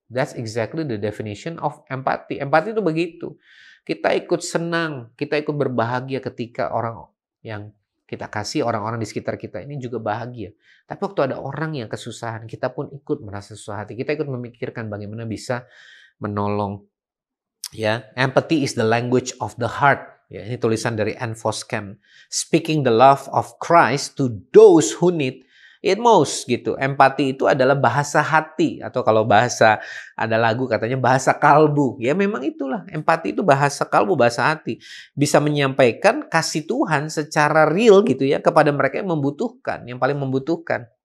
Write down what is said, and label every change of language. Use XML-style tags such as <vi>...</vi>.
<en>That's exactly the definition of empathy.</en> <id>Empathy itu begitu. Kita ikut senang, kita ikut berbahagia ketika orang yang kita kasih, orang-orang di sekitar kita ini juga bahagia. Tapi waktu ada orang yang kesusahan, kita pun ikut merasa susah hati. Kita ikut memikirkan bagaimana bisa menolong.</id> <en>Ya, empathy is the language of the heart.</en> <id>Ya, ini tulisan dari</id> <en>Anne Voskamp. Speaking the love of Christ to those who need it most,</en> <id>gitu. Empathy itu adalah bahasa hati, atau kalau bahasa ada lagu katanya bahasa kalbu. Ya memang itulah, empathy itu bahasa kalbu, bahasa hati. Bisa menyampaikan kasih Tuhan secara real gitu ya, kepada mereka yang membutuhkan, yang paling membutuhkan.</id>